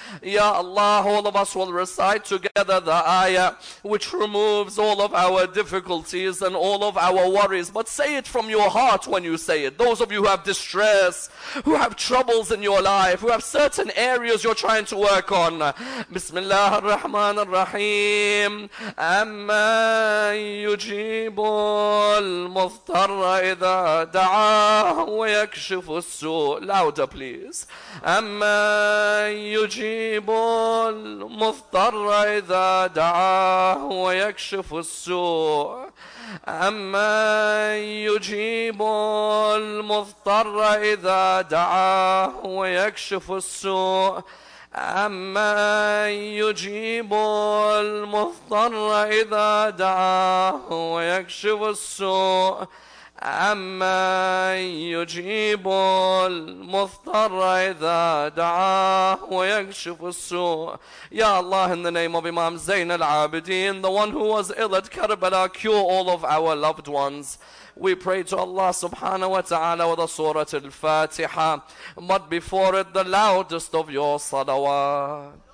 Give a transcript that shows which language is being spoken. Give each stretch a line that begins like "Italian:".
English: Ya Allah, all of us will recite together the ayah which removes all of our difficulties and all of our worries. But say it from your heart when you say it. Those of you who have distress, who have troubles in your life, who have certain areas you're trying to work on.
Arabic: Bismillah ar-Rahman ar-Rahim. Amma yujibul مضطر إذا دعاه ويكشف السوء.
English: Louder please.
Arabic: أما يجيب المضطر إذا دعاه ويكشف السوء. أما يجيب المضطر إذا دعاه ويكشف السوء. أما يجيب المضطر إذا دعاه ويكشف السوء. أما يجيب المضطر إذا دعاه ويكشف السوء.
English: Ya Allah, in the name of Imam Zain al-Abidin, the one who was ill at Karbala, cure all of our loved ones. We pray to Allah subhanahu wa ta'ala with a surah al-Fatiha, but before it, the loudest of your salawat.